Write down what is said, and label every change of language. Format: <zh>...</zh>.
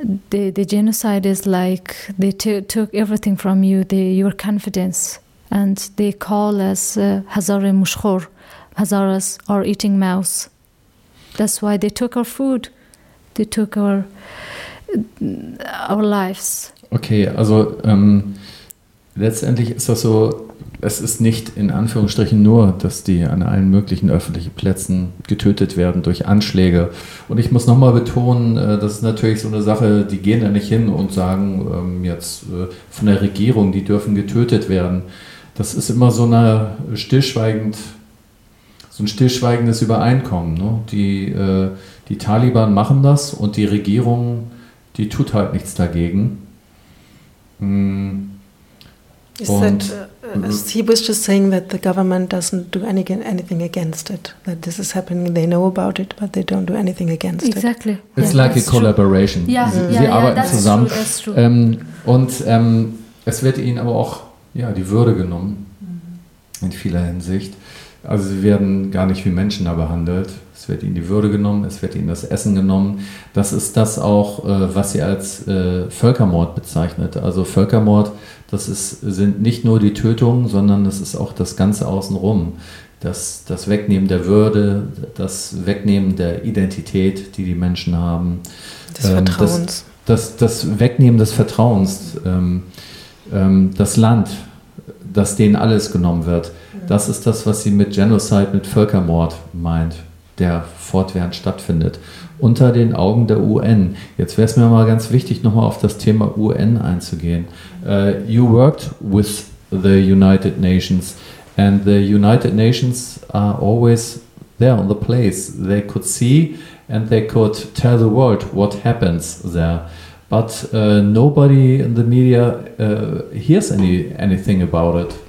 <en>The genocide is like they took everything from you, your confidence, and they call us Hazare Mushkhor. Hazaras are eating mouse. That's why they took our food, they took our lives.</en> <de>Okay, also letztendlich ist das so, es ist nicht in Anführungsstrichen nur, dass die an allen möglichen öffentlichen Plätzen getötet werden durch Anschläge. Und ich muss nochmal betonen, das ist natürlich so eine Sache, die gehen da nicht hin und sagen jetzt von der Regierung, die dürfen getötet werden. Das ist immer so eine stillschweigend... So ein stillschweigendes Übereinkommen. Ne? Die Taliban machen das und die Regierung, die tut halt nichts dagegen.</de> <en>He was just saying that the government doesn't do anything against it. That this is happening, they know about it, but they don't do anything against it. Exactly. It's like a collaboration. True. Yeah.</en> <de>Sie arbeiten zusammen.</de> <en>True.</en> <de>Es wird ihnen aber auch die Würde genommen, in vieler Hinsicht. Also sie werden gar nicht wie Menschen da behandelt. Es wird ihnen die Würde genommen, es wird ihnen das Essen genommen. Das ist das auch, was sie als Völkermord bezeichnet. Also Völkermord, sind nicht nur die Tötungen, sondern das ist auch das Ganze außenrum. Das Wegnehmen der Würde, das Wegnehmen der Identität, die die Menschen haben. Des Vertrauens. das Wegnehmen des Vertrauens, das Land, das denen alles genommen wird, das ist das, was sie mit Genocide, mit Völkermord meint, der fortwährend stattfindet, unter den Augen der UN. Jetzt wäre es mir mal ganz wichtig, nochmal auf das Thema UN einzugehen.</de> <en>You worked with the United Nations, and the United Nations are always there on the place. They could see and they could tell the world what happens there. But nobody in the media hears anything about it.</en>